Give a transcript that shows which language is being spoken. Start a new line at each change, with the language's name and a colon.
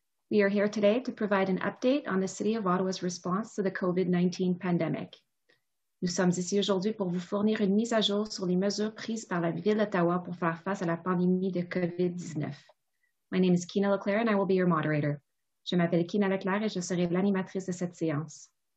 English: We are here today to provide an update on the City of Ottawa's response to the COVID-19 pandemic.
French: Nous sommes ici aujourd'hui pour vous fournir une mise à jour sur les mesures prises par la Ville d'Ottawa pour faire face à la pandémie de COVID-19.
English: My name is Kina LeClaire and I will be your moderator.
French: Je m'appelle Kina LeClaire et je serai l'animatrice de cette séance.